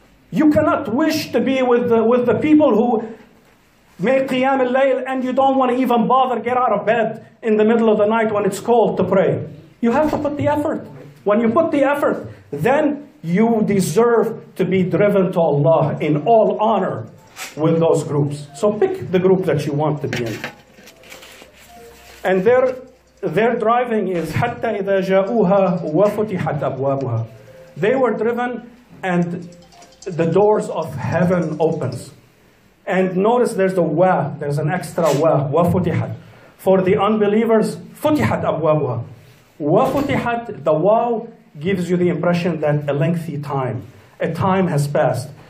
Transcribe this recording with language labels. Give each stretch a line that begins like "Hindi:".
English: You cannot wish to be with the people who make qiyam al-layl and you don't want to even bother get out of bed in the middle of the night when it's cold to pray. You have to put the effort. When you put the effort, then you deserve to be driven to Allah in all honor with those groups. So pick the group that you want to be in. And their driving is
Arabic: حَتَّى إِذَا جَاءُوهَا وَفُتِحَتْ أَبْوَابُهَا.
English: They were driven and the doors of heaven opens. And notice there's the wa, there's an extra wa, وَفُتِحَتْ. For the unbelievers,
Arabic: فُتِحَتْ أَبْوَابُهَا.
English: وَفُتِحَتْ, the wow gives you the impression that a time has passed.